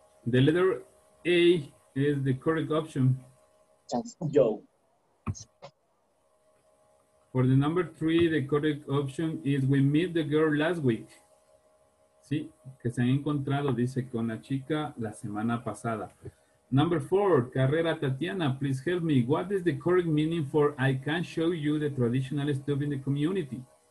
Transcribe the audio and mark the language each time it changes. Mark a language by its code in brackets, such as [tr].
[en] The letter A is the correct option. Yo. For the number 3, the correct option is we meet the girl last week. [es] ¿Sí? Que se han encontrado, dice, con la chica la semana pasada. [en] Number 4, Carrera Tatiana, please help me. What is the correct meaning for I can show you the traditional stuff in the community?